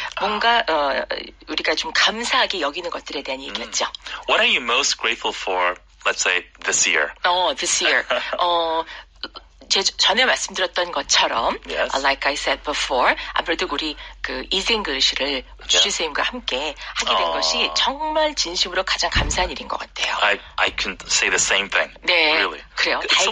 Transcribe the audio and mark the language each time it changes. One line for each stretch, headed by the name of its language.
Korean: 뭔가 우리가 좀 감사하게 여기는 것들에 대한 얘기였죠.
English: What are you most grateful for, let's say, this year? Oh, this year.
Korean: 전에 말씀드렸던 것처럼
English: yes. Like I said before,
Korean: 아무래도 우리 그 Easy English를 주지쌤과 함께 하게 된 것이 정말 진심으로 가장 감사한 일인 것 같아요.
English: I can say the same thing.
Korean: 네,
English: really.
Korean: 그래요.
English: It's
Korean: 다행이에요.